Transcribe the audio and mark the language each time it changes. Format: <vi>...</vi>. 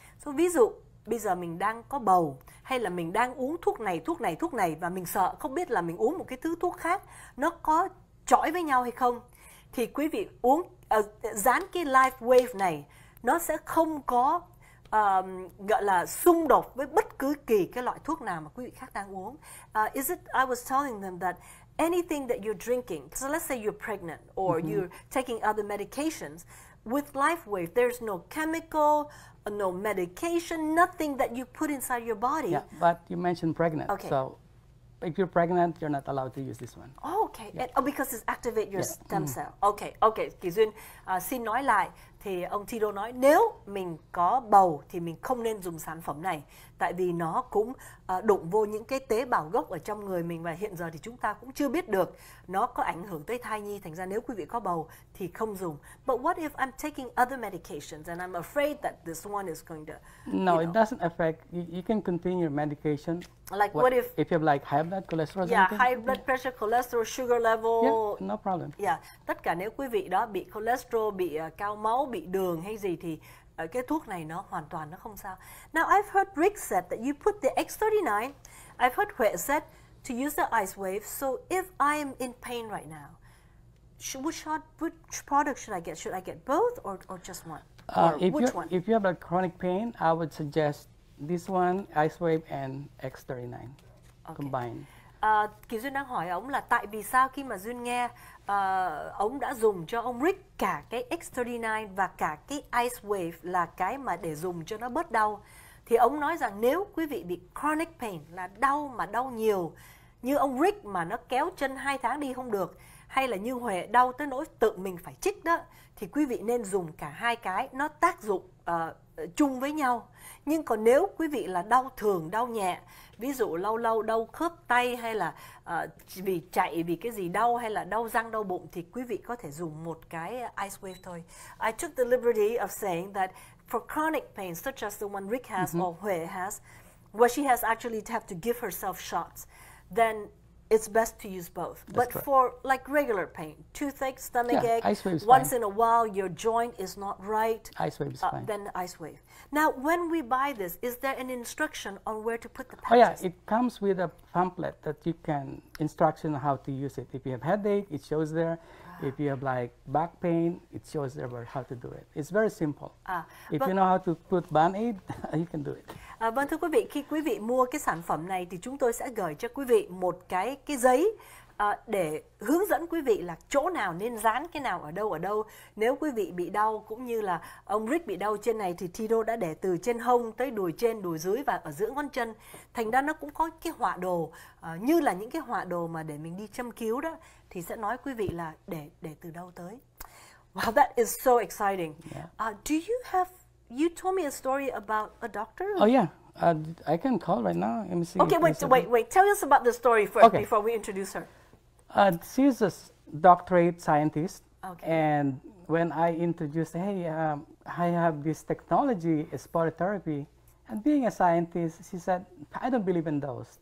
<vi>So, ví dụ, bây giờ mình đang có bầu hay là mình đang uống thuốc này và mình sợ không biết là mình uống một cái thứ thuốc khác nó có chọi với nhau hay không. Thì quý vị uống, dán cái LifeWave này, nó sẽ không có gọi là xung đột với bất cứ kỳ cái loại thuốc nào mà quý vị khác đang uống.</vi> <en>I was telling them that anything that you're drinking, so let's say you're pregnant or mm-hmm. you're taking other medications, with LifeWave, there's no chemical, no medication, nothing that you put inside your body. Yeah, but you mentioned pregnant. Okay. So if you're pregnant, you're not allowed to use this one. Oh, okay. Yeah. And, oh, because it's activate your stem cell. Mm-hmm. Okay.</en> <vi>Kỳ Duyên, xin nói lại, thì ông Thido nói nếu mình có bầu thì mình không nên dùng sản phẩm này, tại vì nó cũng đụng vô những cái tế bào gốc ở trong người mình và hiện giờ thì chúng ta cũng chưa biết được nó có ảnh hưởng tới thai nhi. Thành ra nếu quý vị có bầu thì không dùng.</vi> <en>But what if I'm taking other medications and I'm afraid that this one is going to... It doesn't affect. You can continue your medication. Like what if... If you have like high blood cholesterol or something? Yeah, high blood pressure, cholesterol, sugar level. Yeah, no problem.</en> <vi>Yeah, tất cả nếu quý vị đó bị cholesterol, bị cao máu, bị đường hay gì thì cái thuốc này nó hoàn toàn nó không sao.</vi> <en>Now I've heard Rick said that you put the X39. I've heard Huệ said to use the ice wave. So if I am in pain right now, which product should I get? Should I get both or just one? If you have a chronic pain, I would suggest this one, ice wave and X39 combined.</en> <vi>Kỳ Duyên đang hỏi ông là tại vì sao khi mà Duyên nghe ông đã dùng cho ông Rick cả cái X39 và cả cái Ice Wave là cái mà để dùng cho nó bớt đau. Thì ông nói rằng nếu quý vị bị chronic pain là đau mà đau nhiều như ông Rick mà nó kéo chân 2 tháng đi không được, hay là như Huệ đau tới nỗi tự mình phải chích đó, thì quý vị nên dùng cả hai cái, nó tác dụng chung với nhau. Nhưng còn nếu quý vị là đau thường, đau nhẹ, ví dụ lâu lâu đau khớp tay hay là vì chạy vì cái gì đau hay là đau răng đau bụng thì quý vị có thể dùng một cái ice wave thôi.</vi> <en>I took the liberty of saying that for chronic pain such as the one Rick has mm-hmm. or Huệ has, where she has actually to have to give herself shots, then it's best to use both. That's but correct. For like regular pain, toothache, stomach ache, ice wave's once fine. In a while your joint is not right, ice wave's fine. Then ice wave. Now, when we buy this, is there an instruction on where to put the patches? Oh yeah, it comes with a pamphlet that you can instruction on how to use it. If you have headache, it shows there. If you have like back pain, it shows there how to do it. It's very simple. If you know how to put Band-Aid, you can do it.</en> <vi>Vâng, thưa quý vị, khi quý vị mua cái sản phẩm này thì chúng tôi sẽ gửi cho quý vị một cái giấy để hướng dẫn quý vị là chỗ nào nên dán, cái nào ở đâu nếu quý vị bị đau, cũng như là ông Rick bị đau trên này thì Tito đã để từ trên hông tới đùi trên, đùi dưới và ở giữa ngón chân, thành ra nó cũng có cái họa đồ như là những cái họa đồ mà để mình đi châm cứu đó, thì sẽ nói quý vị là để từ đâu tới.</vi> <en>Wow, that is so exciting. Yeah. You told me a story about a doctor. Oh yeah. I can call right now. Let me see. Okay, wait. Tell us about the story first, okay, before we introduce her. She's a doctorate scientist. Okay. And when I introduced, hey, I have this technology, spot therapy, and being a scientist, she said, I don't believe in those.</en>